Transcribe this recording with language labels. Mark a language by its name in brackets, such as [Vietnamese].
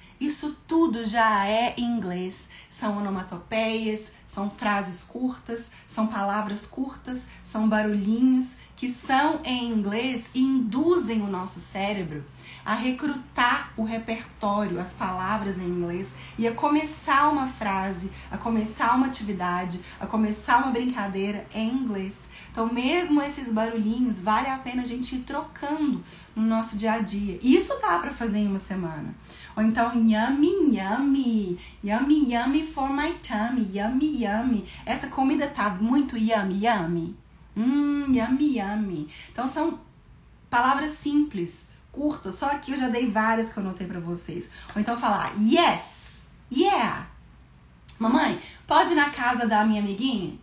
[Portuguese] Isso tudo já é inglês. São onomatopeias, são frases curtas, são palavras curtas, são barulhinhos que são em inglês e induzem o nosso cérebro a recrutar o repertório, as palavras em inglês e a começar uma frase, a começar uma atividade, a começar uma brincadeira em inglês. Então, mesmo esses barulhinhos, vale a pena a gente ir trocando no nosso dia a dia. Isso dá para fazer em uma semana. Ou então, [English] yummy, yummy, yummy, yummy for my tummy, yummy, yummy. [Portuguese] Essa comida tá muito yummy, yummy. Yummy, yummy. Então, são palavras simples, curtas. Só que eu já dei várias que eu anotei para vocês. Ou então, falar yes, yeah. Mamãe, pode ir na casa da minha amiguinha?